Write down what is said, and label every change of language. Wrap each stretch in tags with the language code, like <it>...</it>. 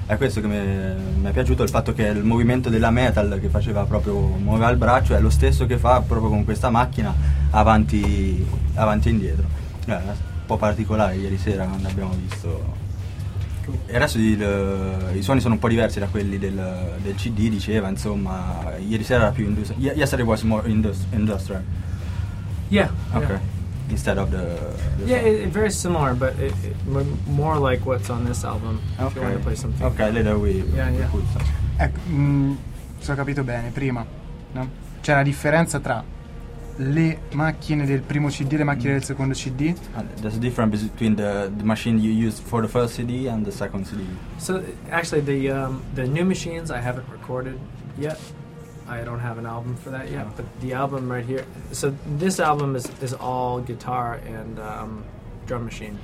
<it>È questo che mi è piaciuto, il fatto che il movimento della metal che faceva, proprio muoveva il braccio, è lo stesso che fa proprio con questa macchina avanti e indietro. È un po' particolare ieri sera quando abbiamo visto. E adesso i suoni sono un po' diversi da quelli del CD, diceva, insomma, ieri sera era più industrial.</it> <en>Yesterday was more industrial. Yeah. Okay. Yeah. Instead of the yeah, it's very similar, but it more like what's on this album. Okay. If you want to play something. Okay, later we yeah, yeah.</en> <it>Ecco, se ho capito bene, prima, no? C'è una differenza tra le macchine del primo CD e le macchine del secondo CD.</it> <en>There's a difference between the machine you used for the first CD and the second CD. So actually, the new machines I haven't recorded yet. I don't have an album for that yet, but the album right here. So this album is all guitar and drum machine.</en>